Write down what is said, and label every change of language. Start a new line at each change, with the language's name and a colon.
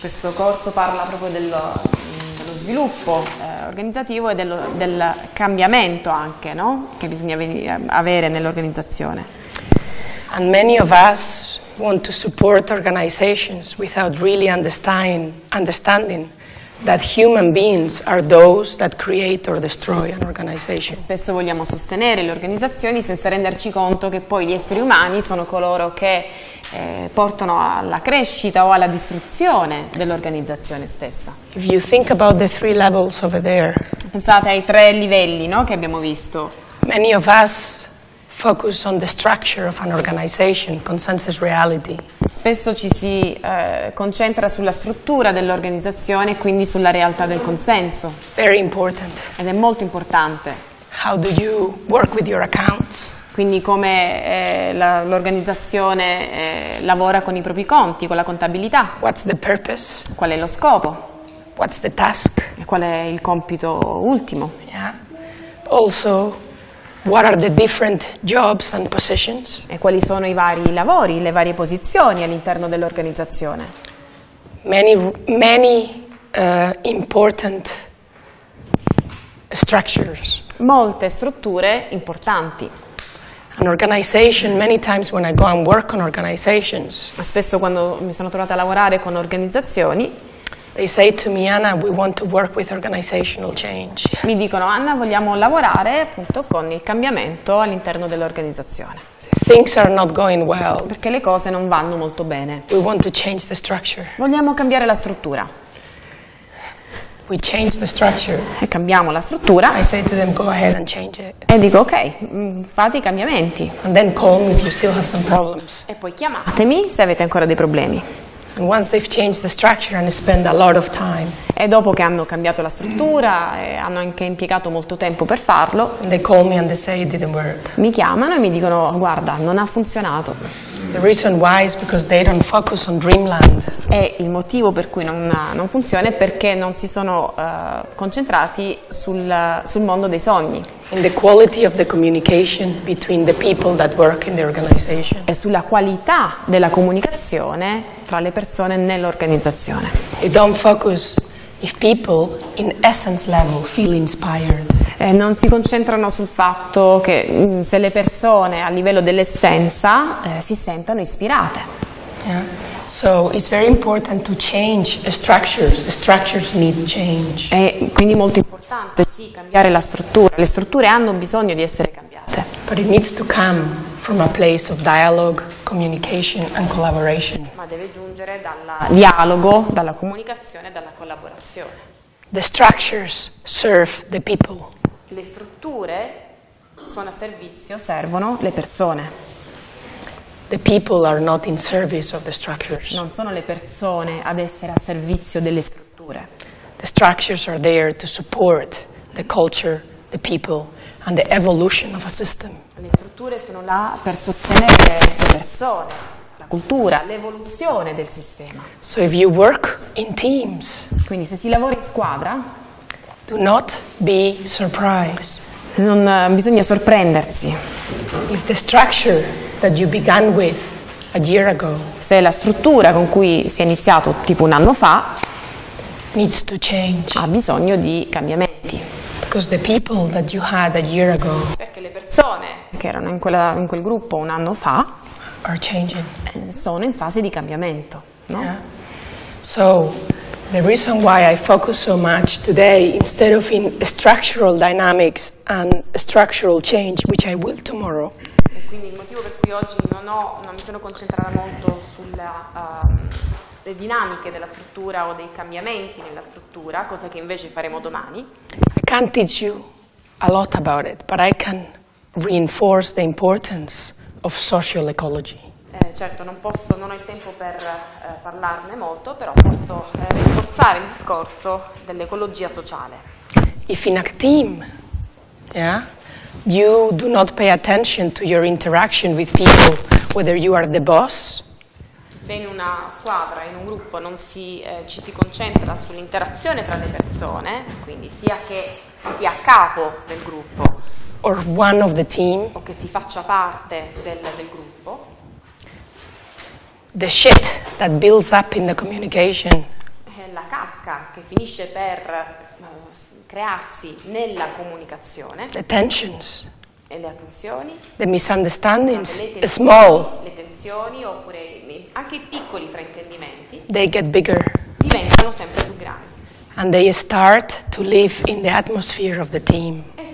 Italian: Questo corso parla proprio dello sviluppo organizzativo e del cambiamento anche, no? Che bisogna avere nell'organizzazione.
English: And many of us want to support organizations without really understanding that human beings are those that create or destroy an organization.
Italian: Spesso vogliamo sostenere le organizzazioni senza renderci conto che poi gli esseri umani sono coloro che portano alla crescita o alla distruzione dell'organizzazione stessa.
English: If you think about the three levels over there,
Italian: pensate ai tre livelli, no, che abbiamo visto.
English: Many of us focus on the structure of an organization, consensus reality.
Italian: Spesso ci si concentra sulla struttura dell'organizzazione e quindi sulla realtà del consenso.
English: Very important.
Italian: Ed è molto importante.
English: How do you work with your accounts?
Italian: Quindi come l'organizzazione lavora con i propri conti, con la contabilità.
English: What's the purpose?
Italian: Qual è lo scopo?
English: What's the task?
Italian: E qual è il compito ultimo?
English: Yeah. Also, what are the different jobs and positions?
Italian: E quali sono i vari lavori, le varie posizioni all'interno dell'organizzazione?
English: Many important structures.
Italian: Molte strutture importanti.
English: An organization, many times when I go and work on organizations.
Italian: Ma spesso quando mi sono trovata a lavorare con organizzazioni,
English: they say to me, Anna, we want to work with organizational change.
Italian: Mi dicono, Anna, vogliamo lavorare appunto con il cambiamento all'interno dell'organizzazione.
English: Things are not going well.
Italian: Perché le cose non vanno molto bene.
English: We want to change the structure.
Italian: Vogliamo cambiare la struttura.
English: We change the structure.
Italian: E cambiamo la struttura.
English: I say to them, go ahead and change it.
Italian: E dico, ok, fate i cambiamenti.
English: And then call me if you still have some problems.
Italian: E poi chiamatemi se avete ancora dei problemi.
English: And once they've changed the structure and spend a lot of time.
Italian: E dopo che hanno cambiato la struttura e hanno anche impiegato molto tempo per farlo,
English: they call me and they say it didn't work.
Italian: Mi chiamano e mi dicono "Guarda, non ha funzionato".
English: The reason why is because they don't focus on dreamland.
Italian: E il motivo per cui non funziona è perché non si sono concentrati sul mondo dei sogni.
English: In the quality of the communication between the people that work in the organization.
Italian: E sulla qualità della comunicazione fra le persone nell'organizzazione.
English: They don't focus if people in essence level feel inspired.
Italian: Non si concentrano sul fatto che se le persone a livello dell'essenza si sentano ispirate.
English: Yeah. So it's very important to change structures. Structures need change.
Italian: È quindi molto importante sì cambiare la struttura. Le strutture hanno bisogno di essere cambiate.
English: But it needs to come from a place of dialogue, communication and collaboration.
Italian: Ma deve giungere dal dialogo, dalla comunicazione, dalla collaborazione.
English: The structures serve the people.
Italian: Le strutture sono a servizio, servono le persone.
English: The people are not in service of the structures.
Italian: Non sono le persone ad essere a servizio delle strutture.
English: The structures are there to support the culture, the people and the evolution of a system.
Italian: Le strutture sono là per sostenere le persone, la cultura, l'evoluzione del sistema.
English: So if you work in teams,
Italian: quindi se si lavora in squadra,
English: do not be surprised.
Italian: Non bisogna sorprendersi.
English: If the structure that you began with a year ago,
Italian: se la struttura con cui si è iniziato tipo un anno fa,
English: needs to change.
Italian: Ha bisogno di cambiamenti.
English: Because the people that you had a year ago,
Italian: perché le persone che erano in quel gruppo un anno fa,
English: are changing.
Italian: Sono in fase di cambiamento, no?
English: Yeah. So the reason why I focus so much today instead of in structural dynamics and structural change, which I will tomorrow.
Italian: E quindi il motivo per cui oggi non mi sono concentrata molto sulle dinamiche della struttura o dei cambiamenti nella struttura, cosa che invece faremo domani.
English: I can't teach you a lot about it, but I can reinforce the importance of social ecology.
Italian: certo, non posso, non ho il tempo per parlarne molto, però posso rinforzare il discorso dell'ecologia sociale.
English: If in a team, yeah, you do not pay attention to your interaction with people, whether you are the boss.
Italian: Se in una squadra, in un gruppo, non si, ci si concentra sull'interazione tra le persone, quindi sia che si sia a capo del gruppo,
English: or one of the team,
Italian: o che si faccia parte del gruppo,
English: the shit that builds up in the communication,
Italian: è la cacca che finisce per crearsi nella comunicazione,
English: the tensions,
Italian: e le attenzioni,
English: the misunderstandings,
Italian: le tensioni,
English: small,
Italian: le tensioni oppure anche i piccoli fraintendimenti,
English: they get bigger,
Italian: diventano sempre più grandi,
English: and they start to live in the atmosphere of the team,